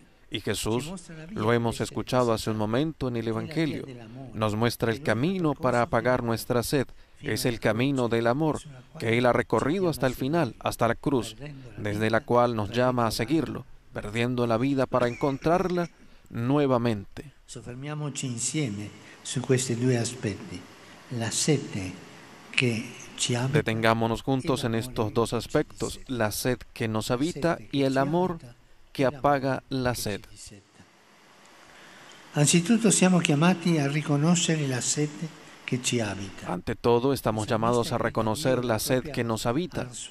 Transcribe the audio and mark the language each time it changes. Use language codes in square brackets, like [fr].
[es] Y Jesús, lo hemos escuchado hace un momento en el Evangelio, nos muestra el camino para apagar nuestra sed. Es el camino del amor que Él ha recorrido hasta el final, hasta la cruz, desde la cual nos llama a seguirlo, perdiendo la vida para encontrarla nuevamente. [it] Soffermiamoci insieme su questi due aspetti, la sete. [es] Detengámonos juntos en estos dos aspectos, la sed que nos habita y el amor que apaga la sed. Ante todo, estamos llamados a reconocer la sed que nos habita.